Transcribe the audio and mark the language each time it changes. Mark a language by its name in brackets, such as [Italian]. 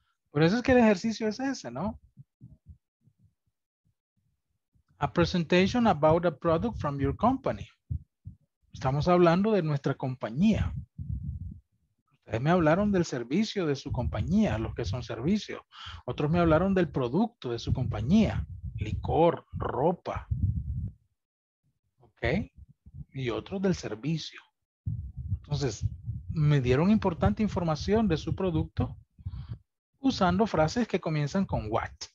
[Spanish] Por eso es que el ejercicio es ese, ¿no? [English] A presentation about a product from your company. [Spanish] Estamos hablando de nuestra compañía. Ustedes me hablaron del servicio de su compañía, los que son servicios. Otros me hablaron del producto de su compañía. Licor, ropa. ¿Ok? Y otros del servicio. Entonces, me dieron importante información de su producto usando frases que comienzan con what.